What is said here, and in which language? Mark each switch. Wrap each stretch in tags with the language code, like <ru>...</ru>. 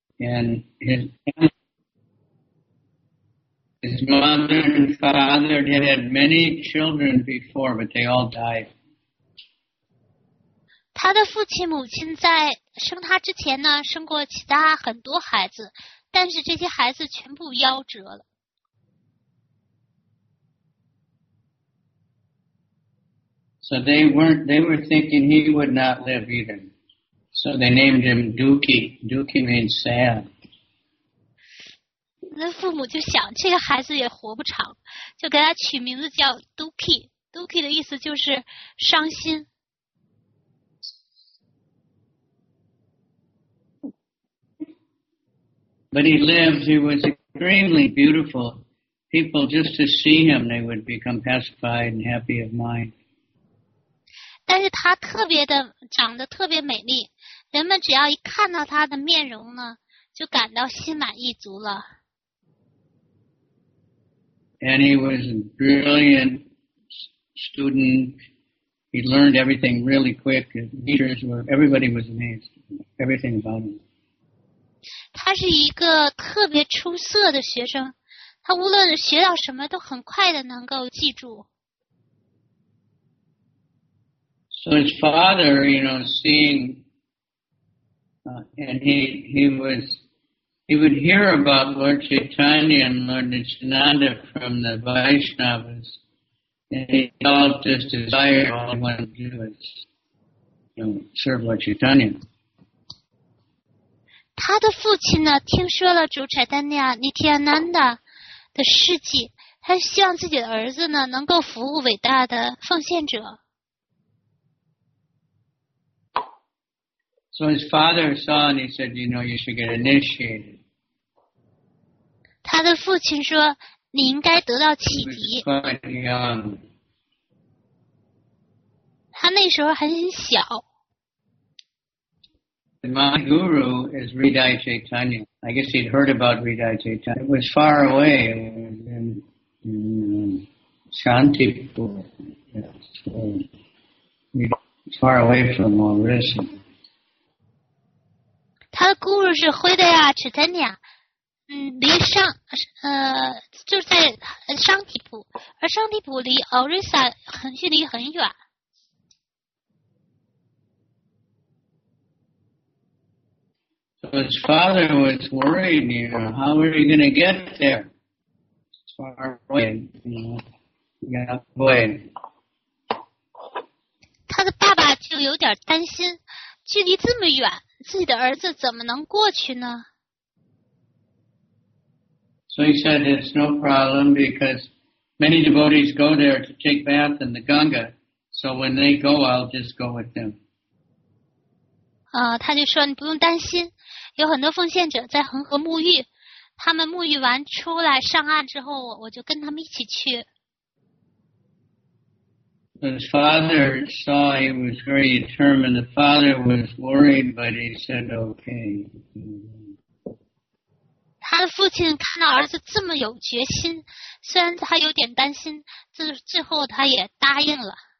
<en>And his mother and father had many children before, but they all died.</en> <zh>他的父亲母亲在生他之前呢，生过其他很多孩子，但是这些孩子全部夭折了。</zh> <en>So they were thinking he would not live either. So they named him Dukhi. Dukhi means sad.</en> <zh>那父母就想这个孩子也活不长，就给他取名字叫 Dukhi. Dukhi 的意思就是伤心。</zh> <en>But he lived, he was extremely beautiful. People just to see him, they would become pacified and happy of mind.</en> <zh>但是他特别的长得特别美丽，人们只要一看到他的面容呢，就感到心满意足了。</zh> <en>And he was a brilliant student. He learned everything really quick. Everybody was amazed. Everything about him.</en> <zh>他是一个特别出色的学生，他无论学到什么都很快的能够记住。</zh> <en>So his father, you know, seeing, and he would hear about Lord Chaitanya and Lord Nityananda from the Vaishnavas, and he felt this desire, all he wanted to do is, you know, serve Lord Chaitanya.</en> <zh>他的父亲呢，听说了主柴丹尼亚尼提亚南达的事迹，他希望自己的儿子呢能够服务伟大的奉献者。</zh> <en>So his father saw and he said, "You know, you should get initiated."</en> <zh>他的父亲说：“你应该得到启迪。”</zh> <en>He was quite young.</en> <zh>他那时候很小。</zh> <en>My guru is Hridaya Chaitanya. I guess he'd heard about Hridaya Chaitanya. It was far away in Shantipur. It's far away from Orissa.</en> <zh>他的 guru 是 Hridaya Chaitanya. 离上就在上提普，而上提普离 Orissa 很距离很远。</zh> <en>So his father was worried, you know, how are you going to get there? It's far away, you know, way.</en> <zh>他的爸爸就有点担心，距离这么远，自己的儿子怎么能过去呢？</zh> <en>So he said it's no problem because many devotees go there to take bath in the Ganga. So when they go, I'll just go with them.</en> <zh>他就说你不用担心。有很多奉献者在恒河沐浴，他们沐浴完出来上岸之后，我就跟他们一起去。</zh> <en>His father saw he was very determined. The father was worried, but he said, "Okay."</en> <zh>他的父亲看到儿子这么有决心，虽然他有点担心，最后他也答应了。</zh>